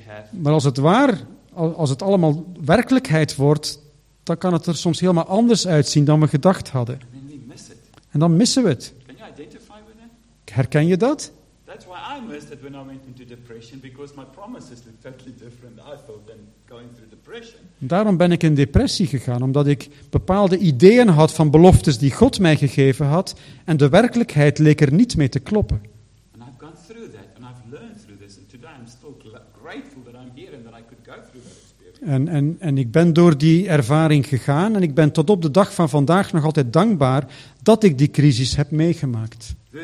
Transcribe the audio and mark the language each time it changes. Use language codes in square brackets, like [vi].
[nl] Maar als het allemaal werkelijkheid wordt, dan kan het er soms helemaal anders uitzien dan we gedacht hadden. En dan missen we het. [en] Can you identify with that? [nl] Herken je dat? [en] That's why I missed it when I went into depression, because my promises look totally different than I thought than going through depression. [nl] Daarom ben ik in depressie gegaan, omdat ik bepaalde ideeën had van beloftes die God mij gegeven had, en de werkelijkheid leek er niet mee te kloppen. [en] And I've gone through that, and I've learned through this, and today I'm still grateful that I'm here and that I could go through that. [nl] En ik ben door die ervaring gegaan en ik ben tot op de dag van vandaag nog altijd dankbaar dat ik die crisis heb meegemaakt.